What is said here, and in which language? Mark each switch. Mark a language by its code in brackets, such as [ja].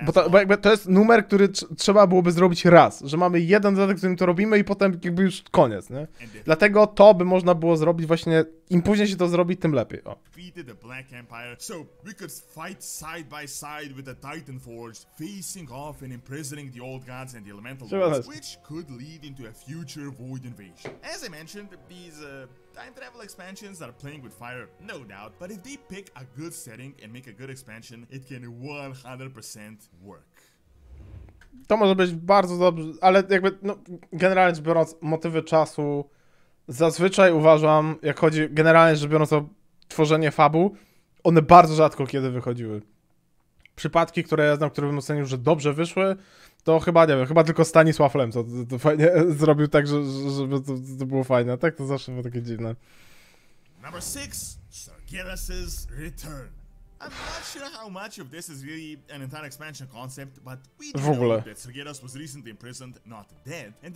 [pl] Bo jakby to jest numer, który trzeba byłoby zrobić raz. Że mamy jeden dodatek, z którym to robimy i potem jakby już koniec, nie? Dlatego to by można było zrobić właśnie... Im później się to zrobi, tym lepiej, o. [en] So, we could fight side by side with the Titan Forge, facing off and imprisoning the old gods and the elemental gods, which could lead into a future void invasion. As I mentioned, these time travel expansions are playing with fire, no doubt, but if they pick a good setting and make a good expansion, it can 100% work. [pl] To może być bardzo dobrze, ale jakby, no, generalnie biorąc, motywy czasu zazwyczaj uważam, jak chodzi, generalnie rzecz biorąc, o tworzenie fabuł, one bardzo rzadko kiedy wychodziły. Przypadki, które ja znam, które bym ocenił, że dobrze wyszły, to chyba, nie wiem, chyba tylko Stanisław Lem to fajnie zrobił tak, żeby to było fajne. A tak to zawsze było takie dziwne. [en] Number 6, Sargeras's Return. I'm not sure how much of this is really an entire expansion concept, but we do know that Sargeras was recently imprisoned, not dead.